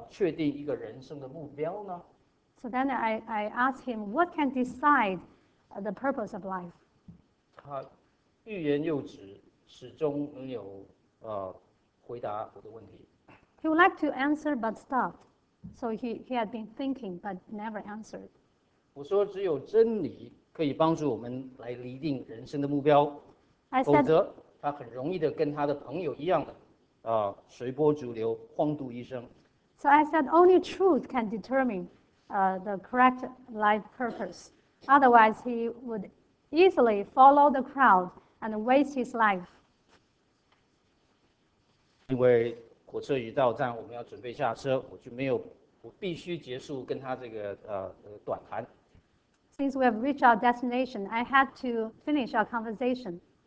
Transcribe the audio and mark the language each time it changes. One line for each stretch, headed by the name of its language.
Chinese: 那么我就接着问他说，那什么来，确定一个人生的目标呢？
English: So then I asked him, what can decide the purpose of life?
Chinese: 他欲言又止，始终没有回答我的问题。
English: He would like to answer but stopped. So he had been thinking, but never answered.
Chinese: 我说只有真理可以帮助我们来厘定人生的目标。
English: I said,
Chinese: 否则他很容易的跟他的朋友一样的，随波逐流，荒度一生。
English: So I said only truth can determine the correct life purpose. Otherwise, he would easily follow the crowd and waste his life.
Chinese: 因为火车已到站，我们要准备下车，我就没有。我必须结束跟他这个短谈。
English: Since we have reached our destination, I had to finish our conversation.